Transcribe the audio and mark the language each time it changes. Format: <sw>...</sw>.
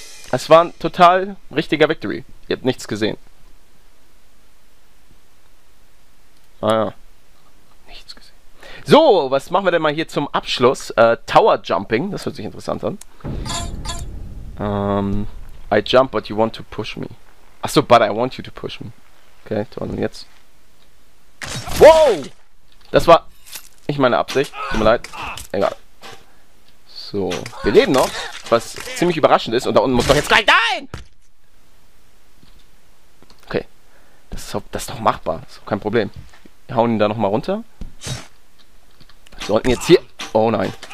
<de>Es war ein total richtiger Victory. Ihr habt nichts gesehen. Ah ja. Nichts gesehen. So, was machen wir denn mal hier zum Abschluss? Tower Jumping. Das hört sich interessant an.</de> <en>I jump, but you want to push me.</en> <de>Achso,</de> <en>but I want you to push me. Okay,</en> <de>toll. Und jetzt. Wow! Das war nicht meine Absicht. Tut mir leid. Egal. So, wir leben noch. Was ziemlich überraschend ist. Und da unten muss doch jetzt gleich... Nein! Okay. Das ist doch machbar. Das ist kein Problem. Wir hauen ihn da nochmal runter. Wir sollten jetzt hier... Oh nein.</de>